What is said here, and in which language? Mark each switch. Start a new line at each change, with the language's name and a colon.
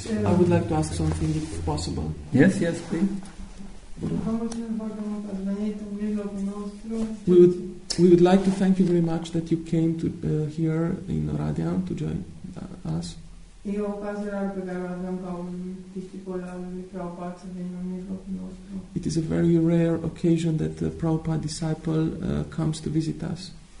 English: Yeah. I would like to ask something if possible. Yes, yes, please.
Romanian: Vă mulțumim foarte mult că ați venit în mijlocul nostru.
English: We would We would like to thank you very much that you came to here in Oradea to join us. It is a very rare occasion that the Prabhupada disciple comes to visit us.